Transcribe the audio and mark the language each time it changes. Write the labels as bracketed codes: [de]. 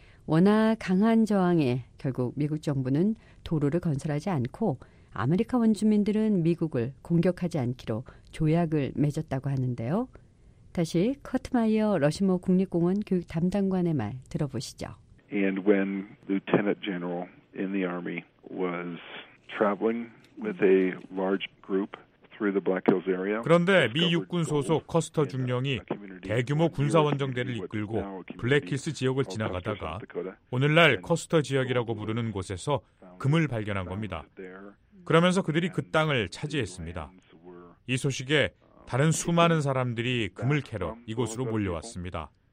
[ko] 워낙 강한 저항에 결국 미국 정부는 도로를 건설하지 않고 아메리카 원주민들은 미국을 공격하지 않기로 조약을 맺었다고 하는데요. 다시 커트마이어 러시모 국립공원 교육 담당관의 말 들어보시죠. [en] And when Lieutenant General in the Army was traveling with a large group through the Black Hills area. [ko] 그런데 미 육군 소속 커스터 중령이 대규모 군사 원정대를 이끌고 블랙힐스 지역을 지나가다가 오늘날 커스터 지역이라고 부르는 곳에서 금을 발견한 겁니다. 그러면서 그들이 그 땅을 차지했습니다. 이 소식에 다른 수많은 사람들이 금을 캐러 이곳으로 몰려왔습니다.